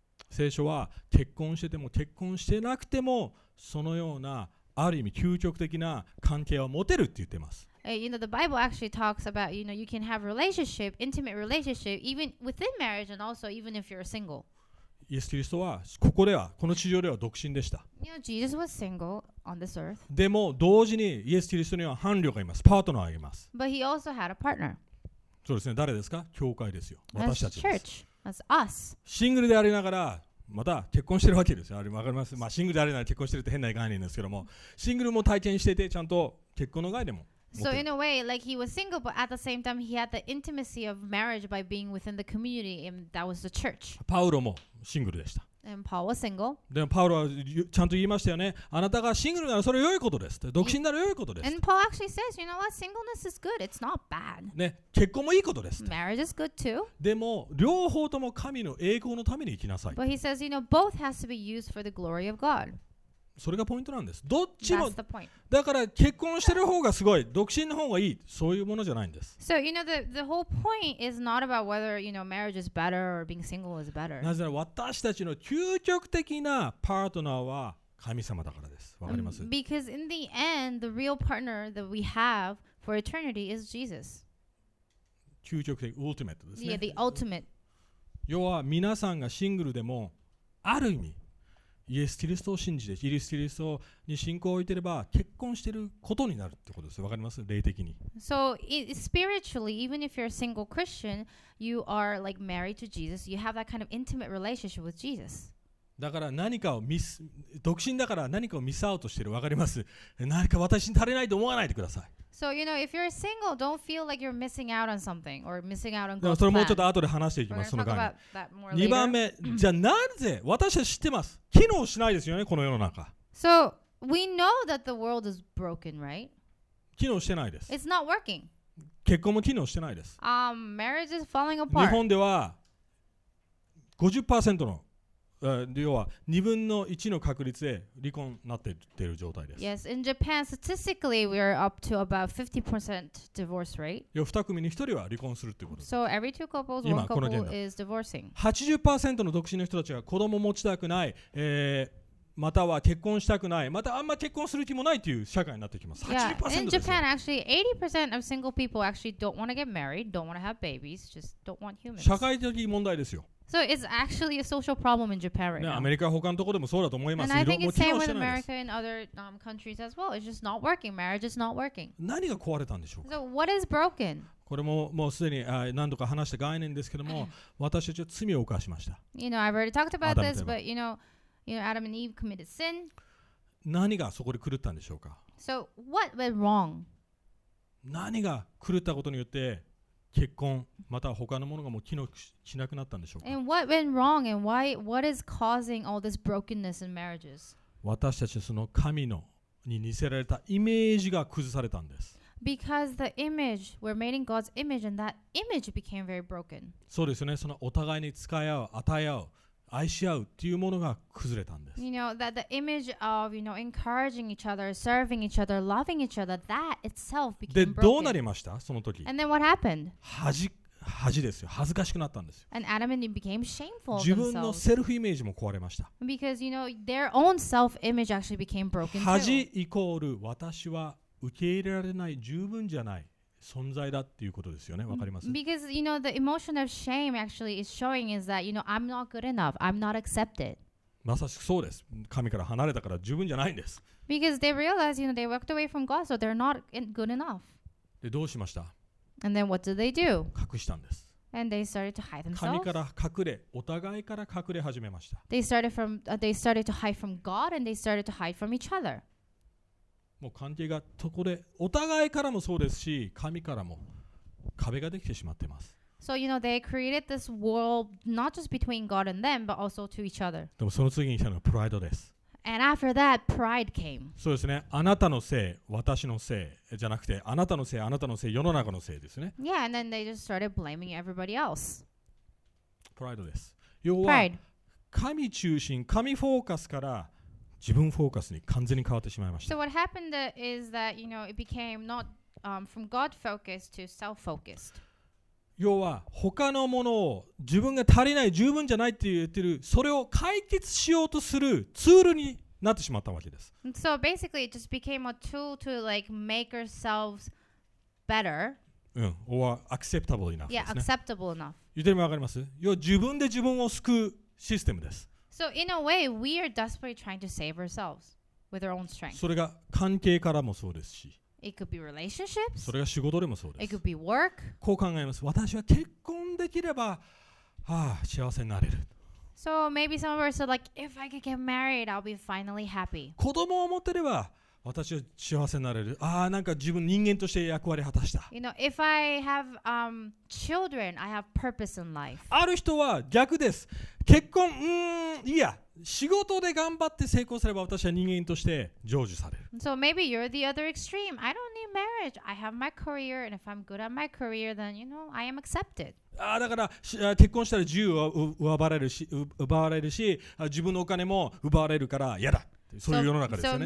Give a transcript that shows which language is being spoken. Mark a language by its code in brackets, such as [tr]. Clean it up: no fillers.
[ja] 聖書は結婚してても結婚してなくてもそのようなある意味究極的な関係を持てるって言ってます。 [en] You know, the Bible actually talks about, you know, you can have relationship, intimate relationship, even within marriage and also even if you're single. [ja] イエス・キリストはここでは、この地上では独身でした。 [en] You know, Jesus was single on this earth. [ja] でも同時にイエス・キリストには伴侶がいます。パートナーがいます。 [en] But he also had a partner. [ja] そうですね、誰ですか？教会ですよ。私たちです。 [en] Church, that's us. [ja] シングルでありながら、また結婚してるわけですよ。あれ、わかります？まあ、シングルであるなら結婚してるって変な概念ですけども、シングルも体験していて、ちゃんと結婚の概念も持ってる。 [en] So in a way, like he was single, but at the same time, he had the intimacy of marriage by being within the community, and that was the church. [ja] パウロもシングルでした。 [en] And Paul was single. [ja] でもパウロはちゃんと言いましたよね。あなたがシングルならそれ良いことです。独身なら良いことです。 [en] And Paul actually says, you know what? Singleness is good. It's not bad. [ja] ね、結婚もいいことです。 [en] Marriage is good too. [ja] でも両方とも神の栄光のために生きなさい。 [en] But he says, you know, both has to be used for the glory of God. [ja] それがポイントなんです。どっちも。 [en] That's the point. [ja] だから結婚してる方がすごい、独身の方がいい、そういうものじゃないんです。 [en] So you know the whole point is not about whether you know marriage is better or being single is better. [ja] なぜなら私たちの究極的なパートナーは神様だからです。わかります？ [en] Because in the end, the real partner that we have for eternity is Jesus. [ja] 究極的、ultimate ですね。 [en] Yeah, the ultimate. [ja] 要は皆さんがシングルでもある意味。イエス・キリストを信じて、イエス・キリストに信仰を置いていれば結婚していることになるってことです。わかります？霊的に。 [en] So, spiritually, even if you're a single Christian, you are like married to Jesus. You have that kind of intimate relationship with Jesus. [ja] だから何かをミス、独身だから何かをミスアウトしている。わかります？何か私に足りないと思わないでください。 [en] So, you know, if you're single, don't feel like you're missing out on something or missing out on God's plan. [ja] それもうちょっと後で話していきます。その概念。二番目、じゃあなぜ私たち知ってます。機能しないですよね、この世の中。 [en] So, we know that the world is broken, right? [ja] 機能してないです。 [en] It's not working. [ja] 結婚も機能してないです。 [en] Marriage is falling apart. [ja] 日本では 50% の要は二分の一の確率で離婚になっている状態です。 [en] Yes, in Japan, statistically, we are up to about 50% divorce rate. [ja] 二組に一人は離婚するということです。 [en] So every two couples, one couple is divorcing. [ja] 80% の独身の人たちが子供を持ちたくない、または結婚したくない、またあんま結婚する気もないという社会になってきます。 [en] Yeah, 80% in Japan, actually, 80% of single people actually don't want to get married, don't want to have babies, just don't want humans. [ja] 社会的問題ですよ。 [en] So it's actually a social problem in Japan right now. [ja] アメリカ他のところでもそうだと思います。 [en] And I think it's same with America and other countries as well. It's just not working. Marriage is not working. [ja] 何が壊れたんでしょうか。 [en] So what is broken? [ja] これももうすでに何度か話した概念ですけども、私たちは罪を犯しました。 [en] You know, I've already talked about this, but you know, Adam and Eve committed sin. [ja] 何がそこで狂ったんでしょうか。 [en] So what went wrong? [ja] 何が狂ったことによって結婚または他のものがもう機能しなくなったんでしょうか。 [en] And what went wrong and why, what is causing all this brokenness in marriages? [ja] 私たちはその神のに似せられたイメージが崩されたんです。 [en] Because the image, we're made in God's image, and that image became very broken. [ja] そうですね。そのお互いに使い合う、与え合う、愛し合うっていうものが崩れたんです。 [en] You know, that the image of, you know, encouraging each other, serving each other, loving each other, that itself became broken. [ja] で、どうなりました？その時。 [en] And then what happened? [ja] 恥ですよ。恥ずかしくなったんですよ。 [en] And Adam and Eve became shameful. [ja] 自分のセルフイメージも壊れました。 [en] Because, you know, their own self-image actually became broken too. [ja] 恥イコール私は受け入れられない、十分じゃない存在だっていうことですよね。わかります。 [en] Because, you know, the emotion of shame actually is showing is that, you know, I'm not good enough. I'm not accepted. [ja] まさしくそうです。神から離れたから十分じゃないんです。 [en] Because they realized, you know, they walked away from God, so they're not good enough. [ja] で、どうしました？ [en] And then what did they do? [ja] 隠したんです。 [en] And they started to hide themselves. [ja] 神から隠れ、お互いから隠れ始めました。 [en] They started to hide from God and they started to hide from each other. [ja] もう関係がそこで、お互いからもそうですし、神からも壁ができてしまっています。 [en] So, you know, they created this wall not just between God and them, but also to each other. [ja] でもその次に来たのはプライドです。 [en] And after that, pride came. [ja] そうですね。あなたのせい、私のせいじゃなくて、あなたのせい、あなたのせい、世の中のせいですね。 [en] Yeah, and then they just started blaming everybody else. [ja] Pride です。要は、pride. 神中心、神フォーカスから自分フォーカスに完全に変わってしまいました。 [en] So what happened is that, you know, it became not, from God-focused to self-focused. [ja] 要は、他のものを自分が足りない、十分じゃないって言ってる、それを解決しようとするツールになってしまったわけです。 [en] So basically, it just became a tool to like make ourselves better. うん、or acceptable enough. Yeah, acceptable enough. [ja] 言ってるのわかります？要は、自分で自分を救うシステムです。 [en] So in a way, we are desperately trying to save ourselves with our own strength. [ja] それが関係からもそうですし。 [en] It could be relationships. [ja] それが仕事でもそうです。 [en] It could be work. [ja] こう考えます。私は結婚できれば、幸せになれる。 [en] So maybe some of us are like, if I could get married, I'll be finally happy. [ja] 子供を持ってれば、私は幸せになれる。なんか自分人間として役割果たした。 [en] You know, if I have children, I have purpose in life. [ja] ある人は逆です。結婚、いや。仕事で頑張って成功すれば私は人間として成就される。 [en] So maybe you're the other extreme. I don't need marriage. I have my career, and if I'm good at my career, then you know I am accepted. [ja] だから結婚したら自由を奪われるし、自分のお金も奪われるから嫌だ。そういう世の中ですよね。